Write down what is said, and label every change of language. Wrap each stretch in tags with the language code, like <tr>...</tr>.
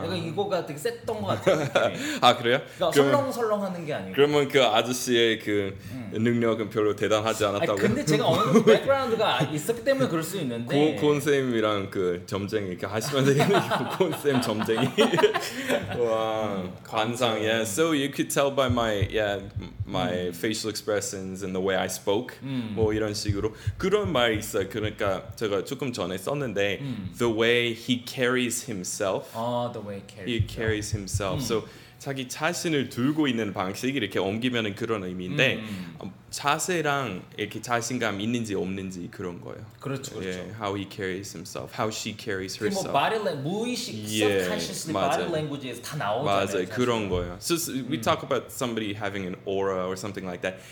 <ko>내가 이거가 되게 셌던 것 같아요. 아 그래요? 그러니까 설렁설렁 하는 게 아니고. 그러면 그 아저씨의 그 능력은 별로 대단하지 않았다고. 아니, 근데 제가 어느 정도 백그라운드가 있었기 때문에 그럴 수 있는데. 고은 쌤이랑 그 점쟁이 그 하시면 되겠네요. 고은 쌤 점쟁이. 관상, yeah.</ko> <en>So you could tell by my, yeah, my facial expressions and the way I spoke.</en> <ko>뭐 이런 식으로 그런 말 있어. 그러니까 제가 조금 전에 썼는데</ko> <en>the way he carries himself. Oh, the way he carries himself.</en> <ko>So 자기 자신을 들고 있는 방식 이렇게 옮기면은 그런 의미인데 자세랑 이렇게 자신감 있는지 없는지 그런 거예요. 그렇죠, 그렇죠.</ko> <en>Yeah, how he carries himself, how she carries herself.</en> <ko>뭐 body language, 무의식, subconsciously body language에서 다 나오잖아요. 맞아요, 그런 거예요.</ko> <en>So, so we talk about somebody having an aura or something like that.</en>